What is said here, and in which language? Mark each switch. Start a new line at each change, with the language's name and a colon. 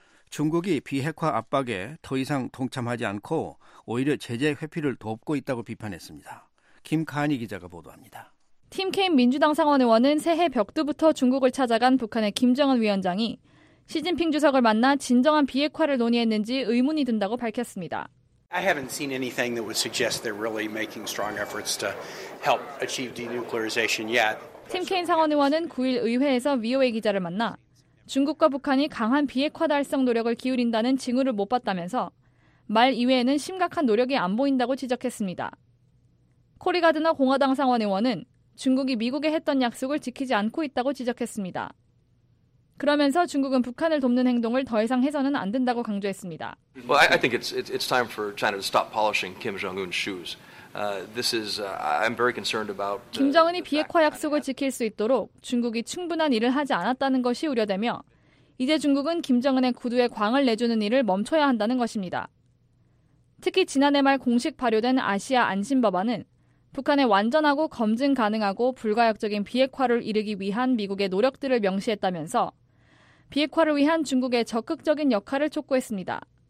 Korean: 중국이 비핵화 압박에 더 이상 동참하지 않고 오히려 제재 회피를 돕고 있다고 비판했습니다. 김카니 기자가 보도합니다. 팀 케인 민주당 상원의원은 새해 벽두부터 중국을 찾아간 북한의 김정은 위원장이 시진핑 주석을 만나 진정한 비핵화를 논의했는지 의문이 든다고 밝혔습니다.
English: I haven't seen anything that would suggest they're really making strong efforts to help achieve denuclearization yet.
Korean: 팀 케인 상원의원은 9일 의회에서 VOA 기자를 만나 중국과 북한이 강한 비핵화 달성 노력을 기울인다는 징후를 못 봤다면서 말 이외에는 심각한 노력이 안 보인다고 지적했습니다. 코리 가드너 공화당 상원의원은 중국이 미국에 했던 약속을 지키지 않고 있다고 지적했습니다. 그러면서 중국은 북한을 돕는 행동을 더 이상 해서는 안 된다고 강조했습니다.
English: Well, I think it's time for China to stop polishing Kim Jong-un's shoes. This is I'm very concerned about
Korean: 김정은이 비핵화 약속을 지킬 수 있도록 중국이 충분한 일을 하지 않았다는 것이 우려되며 이제 중국은 김정은의 구두에 광을 내주는 일을 멈춰야 한다는 것입니다. 특히 지난해 말 공식 발효된 아시아 안심 법안은 북한의 완전하고 검증 가능하고 불가역적인 비핵화를 이루기 위한 미국의 노력들을 명시했다면서 비핵화를 위한 중국의 적극적인 역할을 촉구했습니다.